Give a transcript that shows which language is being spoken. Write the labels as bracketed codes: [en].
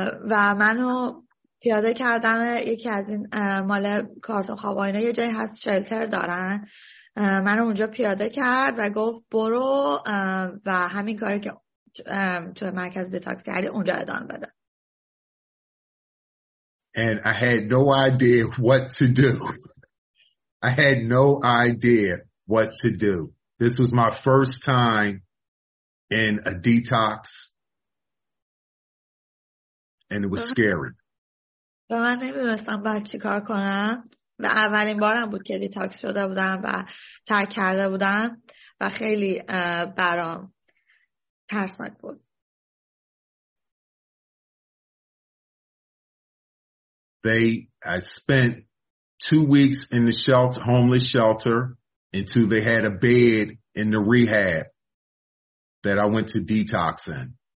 [fa] و منو پیاده کردم یکی از این مال کارتون خواب اینا، یه جایی هست شلتر دارن، منو اونجا پیاده کرد و گفت برو و همین کاری که تو مرکز دیتاکس کردی اونجا ادامه بده. [en] And I had no idea what to do. I had no idea what to do. This was my first time in a detox. and it was scary. [fa] من نمی‌دونستم باید چی کار کنم و اولین بارم بود که دیتاکس شده بودم و ترک کرده بودم و خیلی برام ترسناک بود. [en] I spent 2 weeks in the shelter, homeless shelter, until they had a bed in the rehab that I went to detox in.